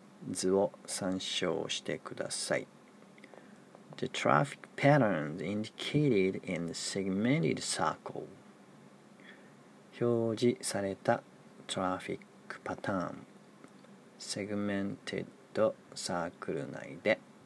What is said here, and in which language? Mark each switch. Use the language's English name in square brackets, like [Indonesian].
[Japanese] 図を参照してください。 [English] The traffic patterns indicated in the segmented circle. [Japanese] 表示されたトラフィックパターン。 Segmented circle 内で。